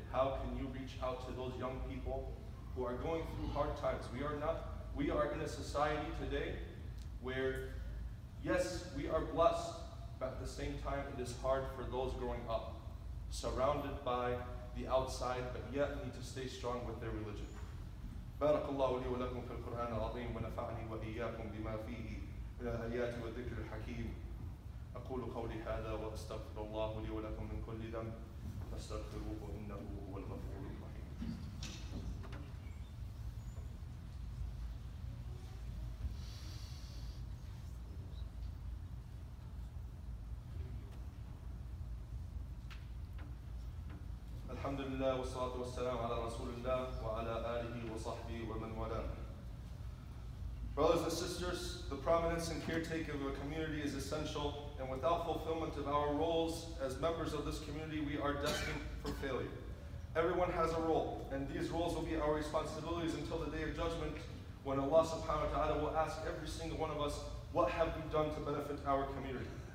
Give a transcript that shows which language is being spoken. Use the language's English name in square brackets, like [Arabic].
[English] How can you reach out to those young people who are going through hard times? We are in a society today where, yes, we are blessed, but at the same time, it is hard for those growing up, surrounded by the outside, but yet need to stay strong with their religion. [Arabic] بارك الله لي ولكم في القرآن العظيم ونفعني وإياكم بما فيه من الآيات والذكر الحكيم أقول قولي هذا وأستغفر الله لي ولكم من كل ذنب فاستغفروه إنه هو الغفور الرحيم. الحمد لله والصلاة والسلام على رسول الله وعلى آله وصحبه ومن والاه. [English] Brothers and sisters, the prominence and caretaking of a community is essential, and without fulfillment of our roles as members of this community, we are destined for failure. Everyone has a role, and these roles will be our responsibilities until the day of judgment, when Allah subhanahu wa ta'ala will ask every single one of us, what have we done to benefit our community?